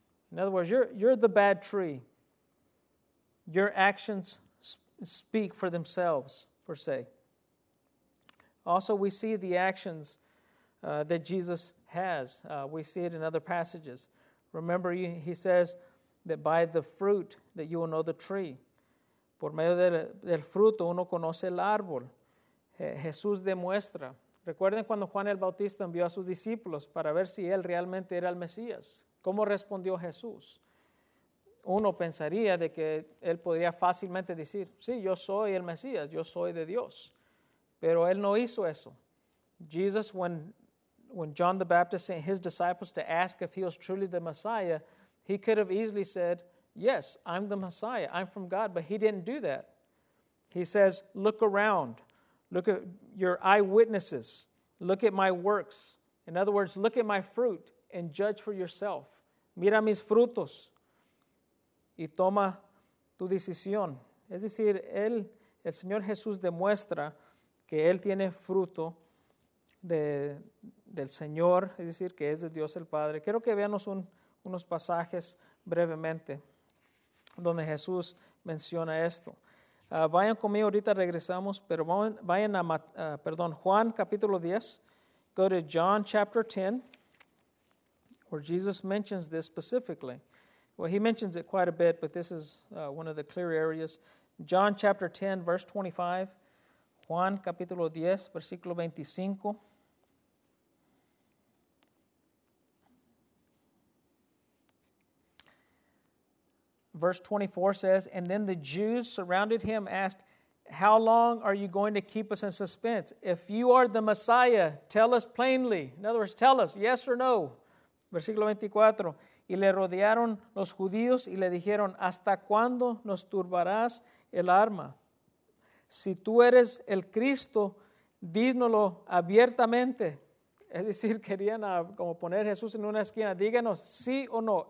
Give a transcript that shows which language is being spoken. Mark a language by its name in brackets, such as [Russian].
[English] In other words, you're the bad tree. Your actions speak for themselves, per se. Also, we see the actions that Jesus has. We see it in other passages. Remember, he says that by the fruit that you will know the tree. [Spanish] Por medio del fruto, uno conoce el árbol. Jesús demuestra. Recuerden cuando Juan el Bautista envió a sus discípulos para ver si él realmente era el Mesías. ¿Cómo respondió Jesús? Uno pensaría de que él podría fácilmente decir, sí, yo soy el Mesías, yo soy de Dios. Pero él no hizo eso. [English] Jesus, when John the Baptist sent his disciples to ask if he was truly the Messiah, he could have easily said, yes, I'm the Messiah, I'm from God, but he didn't do that. He says, look around. Look at your eyewitnesses. Look at my works. In other words, look at my fruit and judge for yourself. [Spanish] Mira mis frutos y toma tu decisión. Es decir, el Señor Jesús demuestra que Él tiene fruto del Señor, es decir, que es de Dios el Padre. Quiero que veamos unos pasajes brevemente donde Jesús menciona esto. Vayan conmigo, ahorita regresamos, pero vayan a Juan capítulo 10. [English] Go to John chapter 10. where Jesus mentions this specifically. Well, he mentions it quite a bit, but this is one of the clear areas. John chapter 10, verse 25. [Spanish] Juan capítulo 10, versículo 25. [English] Verse 24 says, "And then the Jews surrounded him, asked, 'How long are you going to keep us in suspense? If you are the Messiah, tell us plainly.'" In other words, tell us, yes or no. [Spanish] Versículo 24. "Y le rodearon los judíos y le dijeron, '¿Hasta cuándo nos turbarás el arma? Si tú eres el Cristo, dínoslo abiertamente.'" Es decir, querían como poner a Jesús en una esquina. "Díganos, ¿sí o no?